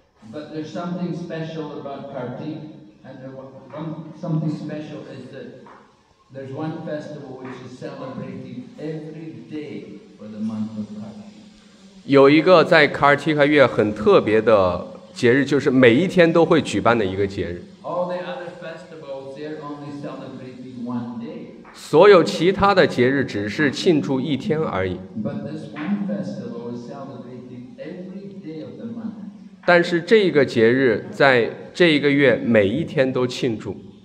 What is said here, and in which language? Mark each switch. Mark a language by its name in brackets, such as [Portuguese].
[English] But there's something special about Kartik, and something special is that there's one festival which is celebrated every day for the month of Kartik. [Chinese] 有一个在 Kartika 月很特别的节日，就是每一天都会举办的一个节日。 [English] All the other festivals, they're only celebrating one day. [Chinese] 所有其他的节日只是庆祝一天而已。 [English] But this one festival is celebrated every day of the month. [Chinese] 但是这个节日在这一个月每一天都庆祝。